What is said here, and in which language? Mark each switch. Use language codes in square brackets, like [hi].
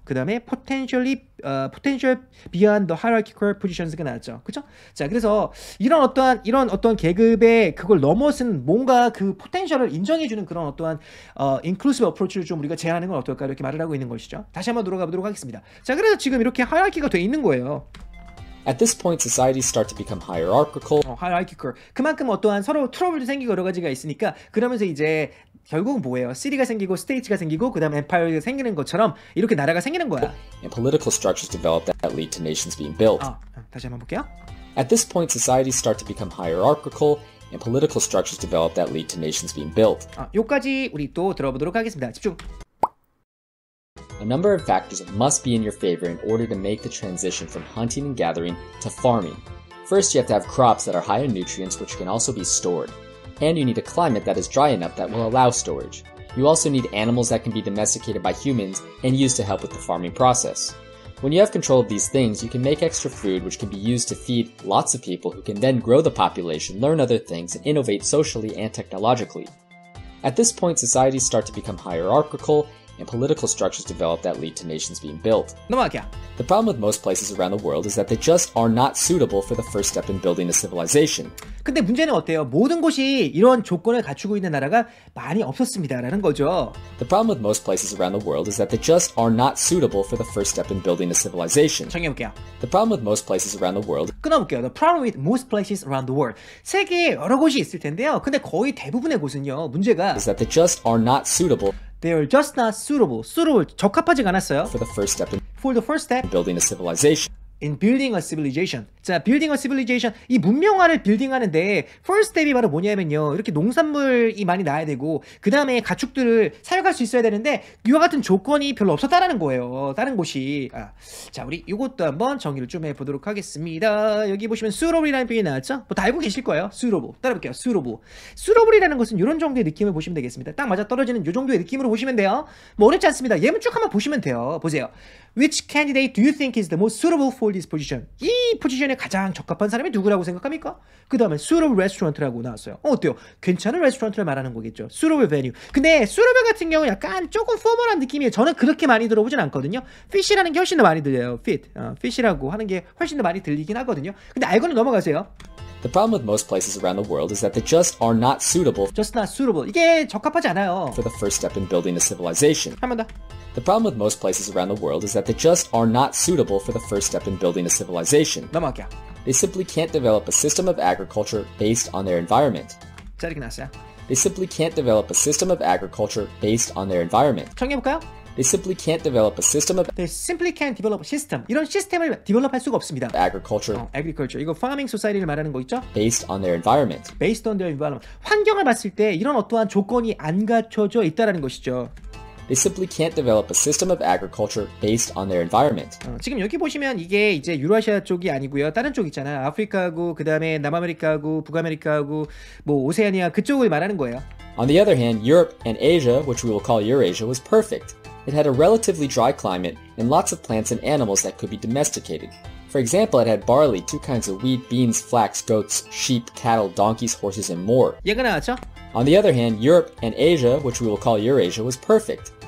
[ko] 그 다음에 [en] potential beyond the hierarchical positions [ko] 가 나왔죠. 그쵸? 자, 그래서 이런 어떤 계급의 그걸 넘어선 뭔가 그 potential을 인정해주는 그런 어떠한 inclusive approach를 좀 우리가 제안하는 건 어떨까? 이렇게 말을 하고 있는 것이죠. 다시 한번 들어가 보도록 하겠습니다. 자, 그래서 지금 이렇게 하이라키가 돼 있는 거예요. [en] At this point, societies start to become hierarchical. Hierarchical. [ko] 그만큼 어떠한 서로 트러블도 생기고 여러 가지가 있으니까 그러면서 이제 결국 뭐예요? 시리가 생기고 스테이츠가 생기고 그다음 엠파이어가 생기는 것처럼 이렇게 나라가 생기는 거야. [en] And political structures develop that lead to nations being built. [ko] 다시 한번 볼게요. [en] At this point, societies start to become hierarchical. And political structures develop that lead to nations being built. [ko] 여기까지 우리 또 들어보도록 하겠습니다. 집중. [en] A number of factors must be in your favor in order to make the transition from hunting and gathering to farming. First, you have to have crops that are high in nutrients, which can also be stored. And you need a climate that is dry enough that will allow storage. You also need animals that can be domesticated by humans and used to help with the farming process. When you have control of these things, you can make extra food, which can be used to feed lots of people who can then grow the population, learn other things, and innovate socially and technologically. At this point, societies start to become hierarchical, and political structures develop that lead to nations being built. The problem with most places around the world is that they just are not suitable for the first step in building a civilization. [ko] 근데 문제는 어때요? 모든 곳이 이런 조건을 갖추고 있는 나라가 많이 없었습니다라는 거죠. [en] The problem with most places around the world is that they just are not suitable for the first step in building a civilization. [ko] 정해볼게요. [en] The problem with most places around the world [ko] 끊어볼게요. [en] The problem with most places around the world [ko] 세계에 여러 곳이 있을 텐데요. 근데 거의 대부분의 곳은요. 문제가 [en] is that they just are not suitable. They are just not suitable. Suitable 적합하지 않았어요. For the first step in for the first step in building a civilization. In building a civilization. 자, building a civilization. [ko] 이 문명화를 빌딩하는데 [en] first step이 [ko] 바로 뭐냐면요. 이렇게 농산물이 많이 나야 되고 그 다음에 가축들을 사육할 수 있어야 되는데 이와 같은 조건이 별로 없었다라는 거예요. 다른 곳이. 자, 우리 이것도 한번 정리를 좀 해보도록 하겠습니다. 여기 보시면 suitable이라는 표현이 나왔죠? 뭐 다 알고 계실 거예요. suitable. 따라볼게요. suitable이라는 것은 이런 정도의 느낌을 보시면 되겠습니다. 딱 맞아 떨어지는 이 정도의 느낌으로 보시면 돼요. 뭐 어렵지 않습니다. 예문 쭉 한번 보시면 돼요. 보세요. [en] Which candidate do you think is the most suitable for this position? [ko] 이 포지션에 가장 적합한 사람이 누구라고 생각합니까? 그 다음에 suitable restaurant라고 나왔어요. 어때요? 괜찮은 restaurant를 말하는 거겠죠. suitable venue. 근데 suitable 같은 경우 약간 조금 포멀한 느낌이에요. 저는 그렇게 많이 들어보진 않거든요. fit라는 게 훨씬 더 많이 들려요. fit. fit이라고 하는 게 훨씬 더 많이 들리긴 하거든요. 근데 알고는 넘어가세요. [en] The problem with most places around the world is that they just are not suitable. Just not suitable. [ko] 이게 적합하지 않아요. [en] For the first step in building a civilization. [ko] 한 번 더. [en] The problem with most places around the world is that they just are not suitable for the first step in building a civilization. [ko] 넘어갈게요. [en] They simply can't develop a system of agriculture based on their environment. [ko] 자, 이렇게 났어요. [en] They simply can't develop a system of agriculture based on their environment. [ko] 정리해볼까요? [en] They simply can't develop a system of They simply can't develop a system. [ko] 이런 시스템을 [en] develop [ko] 할 수가 없습니다. [en] Agriculture. [ko] Agriculture. 이거 farming society를 말하는 거 있죠? [en] Based on their environment. Based on their environment. [ko] 환경을 봤을 때 이런 어떠한 조건이 안 갖춰져 있다라는 것이죠. [en] They simply can't develop a system of agriculture based on their environment. [ko] 지금 여기 보시면 이게 이제 유라시아 쪽이 아니고요. 다른 쪽 있잖아요. 아프리카하고 그다음에 남아메리카하고 북아메리카하고 뭐 오세아니아 그쪽을 말하는 거예요. [en] On the other hand, Europe and Asia, which we will call Eurasia, was perfect. It had a relatively dry climate and lots of plants and animals that could be domesticated. For example, it had barley, two kinds of wheat, beans, flax, goats, sheep, cattle, donkeys, horses, and more. [ko] 얘가 나왔죠? [en] On the other hand, Europe and Asia, which we will call Eurasia, was perfect.